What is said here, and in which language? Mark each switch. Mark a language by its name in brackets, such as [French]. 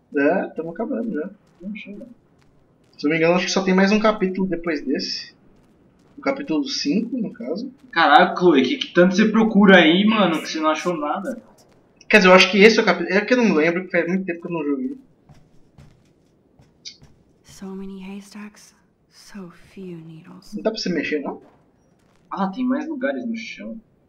[Portuguese] É, estamos acabando já. Não chega. Se não me engano, acho que só tem mais um capítulo depois desse. O capítulo 5, no caso. Caraca, Chloe, que tanto você procura aí, mano, que você não achou nada. Quer dizer, eu acho que esse é o capítulo. É que eu não lembro, porque faz muito tempo que eu não joguei. [English] So many haystacks, so few needles. [Portuguese] Não dá pra você mexer, não? Ah, tem mais lugares no chão.